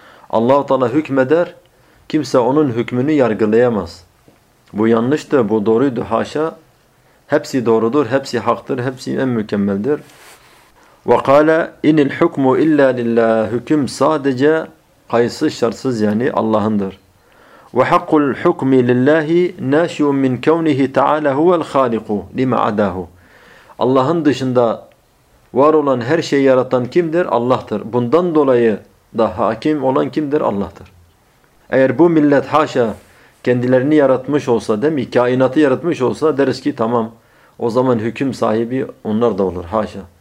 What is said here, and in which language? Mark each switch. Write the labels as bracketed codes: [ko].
[tr] Allah-u Teala hükmeder, kimse onun hükmünü yargılayamaz. Bu yanlıştı, bu doğruydu, haşa. Hepsi doğrudur, hepsi haktır, hepsi en mükemmeldir. [ar] Ve kala inil hukmu illa lillah, [tr] hüküm sadece kayıtsız şartsız yani Allah'ındır. [ar] وحق الحكم لله ناشئ من كونه تعالى هو الخالق لما عداه. [tr] Allah'ın dışında var olan her şeyi yaratan kimdir? Allah'tır. Bundan dolayı da hakim olan kimdir? Allah'tır. Eğer bu millet haşa kendilerini yaratmış olsa, değil mi? Kainatı yaratmış olsa deriz ki tamam, o zaman hüküm sahibi onlar da olur, haşa.